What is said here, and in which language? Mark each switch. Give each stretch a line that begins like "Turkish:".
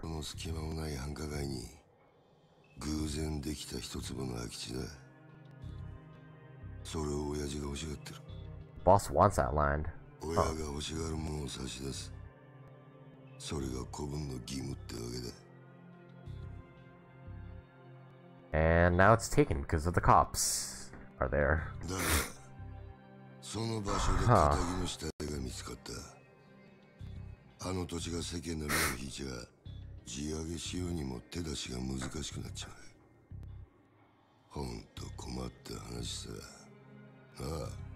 Japanese: この隙間もない繁華街に偶然できた一つぼの空き地だ。それを親父が欲しがってる。
English: Boss wants that land.
Japanese: 親が欲しがるものを差し出す。それが子分の義務ってわけだ。
English: And now it's taken because of the cops. Are there?
Japanese: だが、その場所で片木の死体が見つかった。あの土地が世間の目を引いちゃ、地上げしようにも手出しが難しくなっちゃう。ほんと困った話さ。ああ。